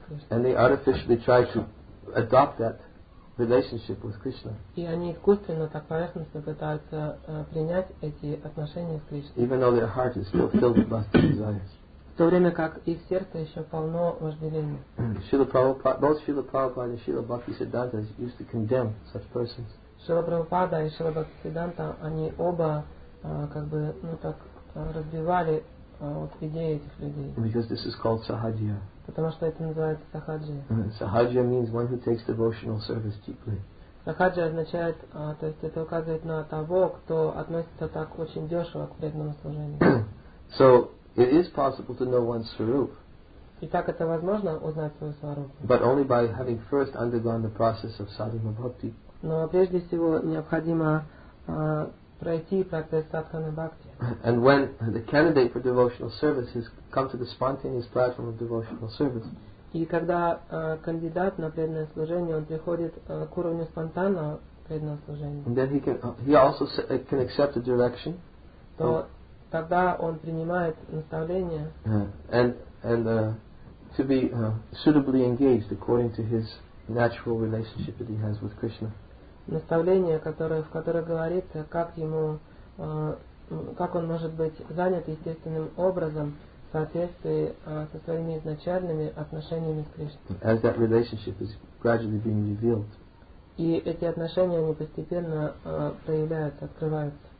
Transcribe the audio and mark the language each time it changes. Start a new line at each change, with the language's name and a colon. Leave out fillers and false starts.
English: And they artificially try to adopt that relationship with Krishna.
Russian: И они искусственно так поверхностно пытаются принять эти отношения с Кришной.
English: Even though their heart is still filled with lust and desires.
Russian: В то время как их сердце еще полно вожделения.
English: Both Srila Prabhupada and Srila Bhaktisiddhanta used to condemn such persons.
Russian: Srila Prabhupada и Srila Bhaktisiddhanta, они оба как бы ну так разбивали. Вот идея этих людей.
English: Because this is called sahajya.
Russian: Потому что это называется сахаджия.
English: Sahajya means one who takes devotional service deeply.
Russian: Сахаджия означает, то есть это указывает на того, кто относится так очень дешево к преданному служению.
English: So it is possible to know one's swarup.
Russian: И так это возможно узнать свою сварупу.
English: But only by having first undergone the process of sadhana bhakti.
Russian: Но прежде всего необходимо пройти процесс садханы бхакти.
English: And when the candidate for devotional service has come to the spontaneous platform of devotional service.
Russian: И когда кандидат на преданное служение, он приходит к уровню спонтанного преданного служения.
English: And then he can accept the direction.
Russian: То тогда он принимает наставление.
English: And to be suitably engaged according to his natural relationship that he has with Krishna.
Russian: Наставление, которое, в которое говорится, как ему, как он может быть занят естественным образом в соответствии со своими изначальными отношениями с Кришной.
English: As that relationship is gradually being revealed.
Russian: И эти отношения, они постепенно проявляются, открываются.